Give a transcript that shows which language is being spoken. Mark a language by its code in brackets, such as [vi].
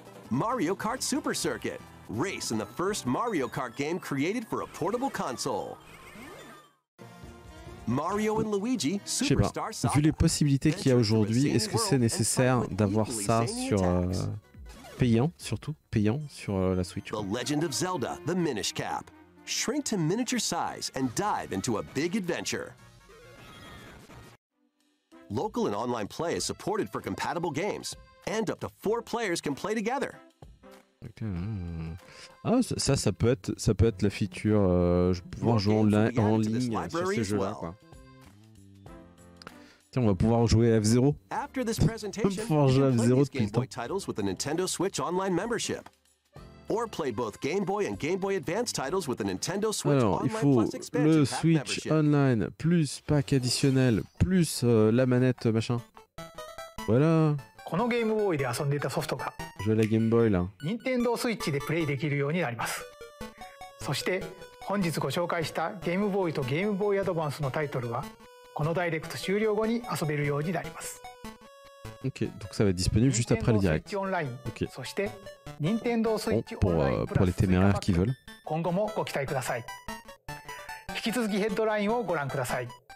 [en] Mario Kart Super Circuit, race in the first Mario Kart game created for a portable console. [fr] Mario and Luigi Superstar Saga. Je sais pas. Vu les possibilités qu'il y a aujourd'hui, est-ce que c'est nécessaire d'avoir ça sur payant sur la Switch, quoi. [en] The Legend of Zelda, The Minish Cap. Shrink to miniature size and dive into a big adventure. Local and online play is supported for compatible games, and up to four players can play together. Okay. [fr] Ah, ça peut être la feature je pouvoir jouer en ligne sur ce jeu-là, quoi. Tiens, on va pouvoir jouer à F-Zero. [en] After this presentation, you can play these Game Boy titles with a Nintendo Switch online membership, or play both Game Boy and Game Boy Advance titles with a Nintendo Switch online plus expansion pack membership. [fr] Alors, il faut le Switch online plus pack additionnel plus la manette machin. Voilà. [ja] このゲームボーイで遊んでいたソフトが、ジョレゲームボーイだ。任天堂スイッチでプレイできるようになります。そして本日ご紹介したゲームボーイとゲームボーイアドバンスのタイトルは、このダイレクト終了後に遊べるようになります。 [fr] OK、donc ça va être disponible juste après le direct. [en] Nintendo Switch Online、okay. [ja] そして任天堂スイッチオンラインプラス、 [fr] pour les téméraires qui veulent。 [ja] 今後もご期待ください。引き続きヘッドラインをご覧ください。